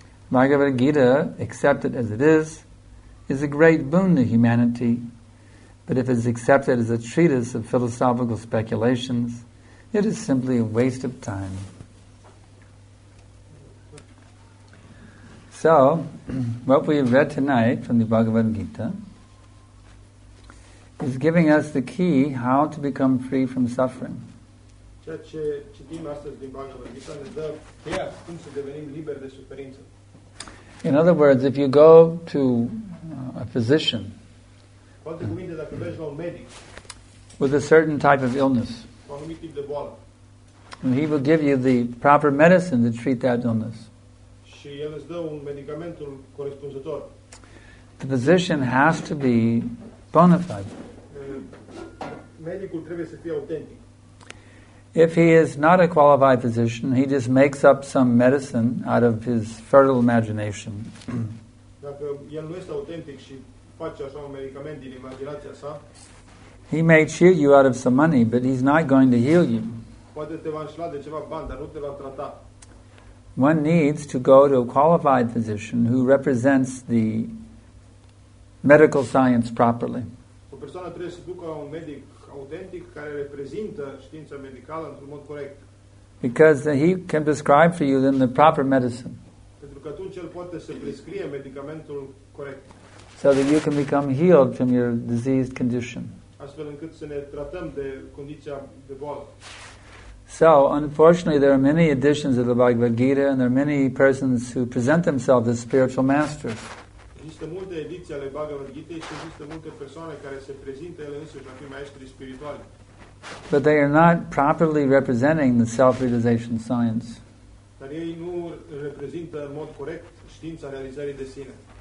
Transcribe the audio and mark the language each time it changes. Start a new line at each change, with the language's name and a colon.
English: Bhagavad Gita, accepted as it is a great boon to humanity, but if it is accepted as a treatise of philosophical speculations, it is simply a waste of time. So, what we have read tonight from the Bhagavad Gita is giving us the key how to become free from suffering.
Romanian: Ceea ce citim astăzi din Bhagavad Gita ne dă cheia cum să devenim liberi de suferință.
English: In other words, if you go to a physician,
Romanian: cu alte cuvinte, dacă mergi la un medic,
English: with a certain type of illness,
Romanian: un anumit tip de boală,
English: and he will give you the proper medicine to treat that illness,
Romanian: și el îți dă un medicamentul corespunzător,
English: the physician has to be bona fide.
Romanian: Medicul trebuie să fie autentic.
English: If he is not a qualified physician, he just makes up some medicine out of his fertile imagination.
Romanian: Dacă el nu este autentic și face așa un medicament din imaginația sa,
English: he may cheat you out of some money, but he's not going to heal you.
Romanian: Poate te va înșela de ceva bani, dar nu te va trata.
English: One needs to go to a qualified physician who represents the medical science properly.
Romanian: O persoană trebuie să ducă la un medic autentic care reprezintă știința medicală într-un mod corect.
English: Because he can prescribe for you then the proper medicine.
Romanian: Pentru că atunci el poate să prescrie medicamentul corect.
English: So that you can become healed from your diseased condition.
Romanian: Astfel încât să ne tratăm de condiția de boală.
English: So, unfortunately, there are many editions of the Bhagavad Gita and there are many persons who present themselves as spiritual masters.
Romanian: Există multe ediții ale Bhagavad Gita și există multe persoane care se prezintă ele însuși a fi maestri spirituali.
English: But they are not properly representing the self-realization science.
Romanian: Dar ei nu reprezintă în mod corect știința realizării de sine.